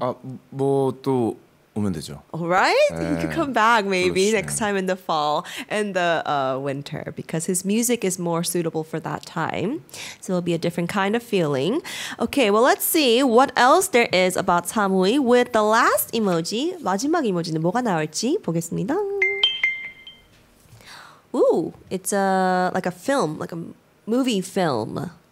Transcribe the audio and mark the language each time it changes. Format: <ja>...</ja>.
<ko>아, 뭐 또 오면 되죠.</ko> <en>All right? 네. You could come back maybe</en> <ko>그렇지.</ko> <en>next time in the fall and the winter because his music is more suitable for that time. So it'll be a different kind of feeling. Okay, well let's see what else there is about Samui with the last emoji.</en> <ko>마지막 이모지는 뭐가 나올지 보겠습니다.</ko> <en>Ooh, it's a like a film, like a movie film.</en>